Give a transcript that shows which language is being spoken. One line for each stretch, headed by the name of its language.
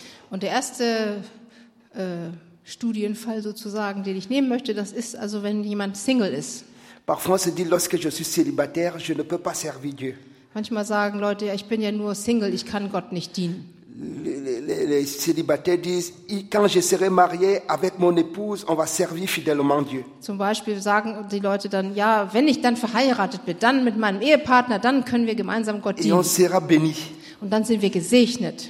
German: Und der erste Studienfall sozusagen, den ich nehmen möchte, das ist also, wenn jemand Single ist.
French: Parfois, on se dit, lorsque je suis célibataire, je ne peux pas servir Dieu.
German: Manchmal sagen Leute, ich bin ja nur Single, ich kann Gott nicht dienen.
French: Les célibataires disent, quand je serai marié avec mon épouse, on va servir fidèlement Dieu.
German: Zum Beispiel sagen die Leute dann, ja, wenn ich dann verheiratet bin, dann mit meinem Ehepartner, dann können wir gemeinsam Gott dienen.
French: Et on sera béni.
German: Und dann sind wir gesegnet.